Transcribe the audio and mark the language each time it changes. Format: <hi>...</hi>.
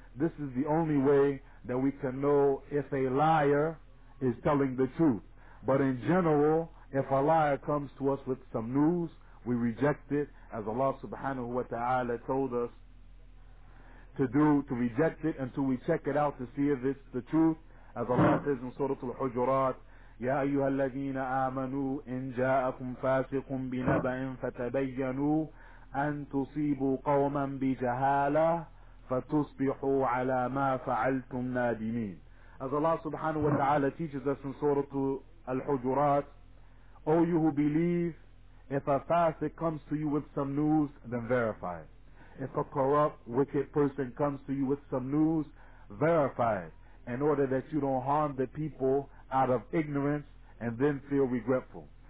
<en>This is the only way that we can know if a liar is telling the truth. But in general, if a liar comes to us with some news, we reject it, as Allah subhanahu wa ta'ala told us to reject it until we check it out to see if it's the truth. As Allah says in Surah Al-Hujurat,</en> <ar>يَا أَيُّهَا الَّذِينَ آمَنُوا إِنْ جَاءَكُمْ فَاسِقٌ بِنَبَإٍ فَتَبَيَّنُوا أَنْ تُصِيبُوا قَوْمًا بِجَهَالَةٍ فَتُصْبِحُوا عَلَى مَا فَعَلْتُمْ نَادِمِينَ.</ar> <en>As Allah subhanahu wa ta'ala teaches us in Surah Al-Hujurat, O you who believe, if a fasiq comes to you with some news, then verify it. If a corrupt, wicked person comes to you with some news, verify it, in order that you don't harm the people out of ignorance and then feel regretful.</en>